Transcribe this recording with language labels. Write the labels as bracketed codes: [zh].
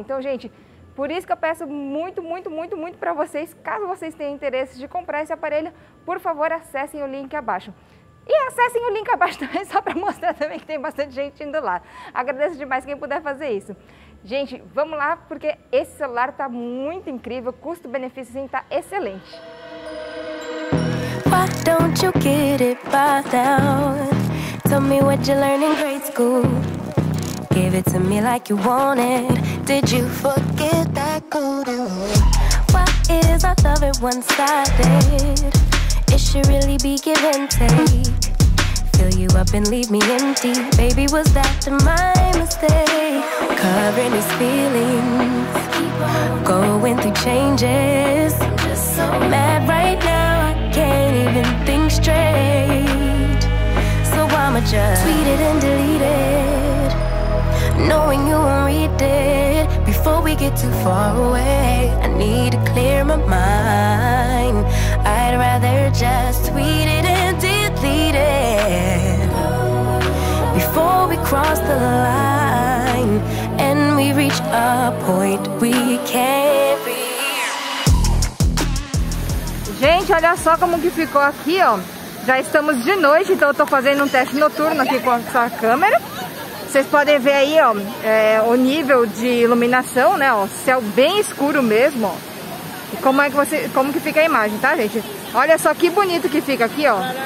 [pt] Então, gente, por isso que eu peço muito, muito, muito, muito para vocês, caso vocês tenham interesse de comprar esse aparelho, por favor, acessem o link abaixo. E acessem o link abaixo também, só para mostrar também que tem bastante gente indo lá. Agradeço demais quem puder fazer isso. Gente, vamos lá, porque esse celular tá muito incrível, custo-benefício sim, tá excelente. [en] Why don't you get it by now? Tell me what you learned in grade school. Give it to me like you want it. Did you forget that code? Why is our love it one-sided? It should really be give and take. Fill you up and leave me empty. Baby, was that my mistake? Covering these feelings, going through changes. I'm just so mad right now, I can't even think straight. I'ma just tweet it and delete it, knowing you won't read it. Before we get too far away, I need to clear my mind. I'd rather just tweet it and delete it before we cross the line and we reach a point we can't be. [pt] Gente, olha só como que ficou aqui, ó. Já estamos de noite, então eu tô fazendo um teste noturno aqui com essa câmera. Vocês podem ver aí, ó, o nível de iluminação, né, ó, céu bem escuro mesmo, ó. E como é que você, como que fica a imagem, tá, gente? Olha só que bonito que fica aqui, ó.